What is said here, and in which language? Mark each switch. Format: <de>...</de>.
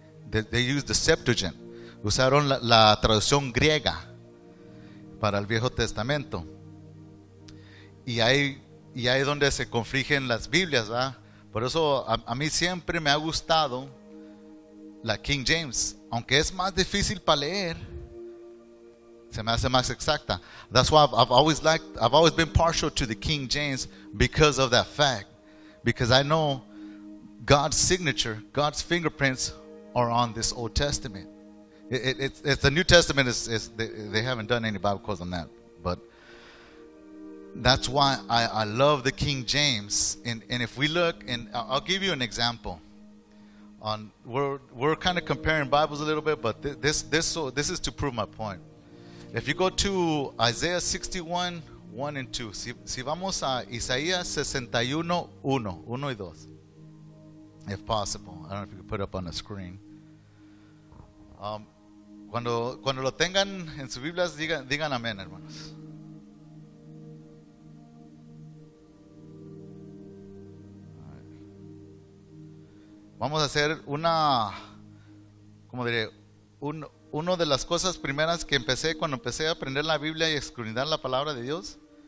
<en>They used the Septuagint.</en> <es>Usaron la traducción griega para el Viejo Testamento. Y ahí donde se confligen las Biblias, ¿verdad? Por eso a mí siempre me ha gustado la King James, aunque es más difícil para leer, se me hace más exacta.</es> <en>That's why I've always been partial to the King James because of that fact, because I know God's signature, God's fingerprints are on this Old Testament. It's the New Testament is they haven't done any Bible quotes on that, but that's why I love the King James. And if we look, and I'll give you an example. On we're kind of comparing Bibles a little bit, but this is to prove my point. If you go to Isaiah 61, 1 and 2,</en> <es>si vamos a Isaías 61, 1, 1 y 2,</es> <en>if possible. I don't know if you can put it up on the screen.</en> <es>Cuando lo tengan en sus Biblias, digan amén, hermanos. Vamos a hacer una, como diré, uno de las cosas primeras que empecé cuando empecé a aprender la Biblia y escudriñar la palabra de Dios.</es>